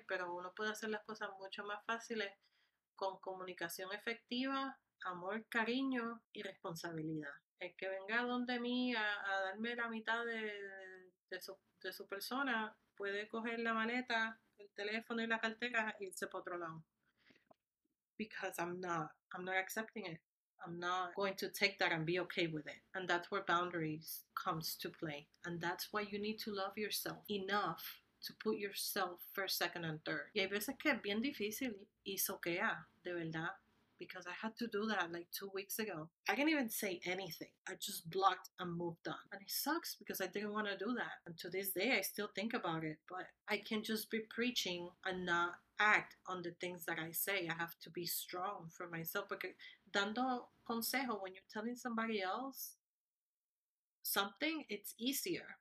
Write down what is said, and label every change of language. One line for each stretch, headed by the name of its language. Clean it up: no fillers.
Spanish: Pero uno puede hacer las cosas mucho más fáciles con comunicación efectiva, amor, cariño y responsabilidad. El que venga donde mí a darme la mitad de su persona puede coger la maleta, el teléfono y la cartera e irse para otro lado.
English: Because I'm not accepting it. I'm not going to take that and be okay with it. And that's where boundaries comes to play. And that's why you need to love yourself enough to put yourself first, second, and third.
Spanish: Y hay veces que es bien difícil y soquea, de verdad.
English: Because I had to do that like 2 weeks ago. I didn't even say anything. I just blocked and moved on. And it sucks because I didn't want to do that. And to this day, I still think about it. But I can just be preaching and not act on the things that I say. I have to be strong for myself. Because
Spanish: dando consejo,
English: when you're telling somebody else something, it's easier.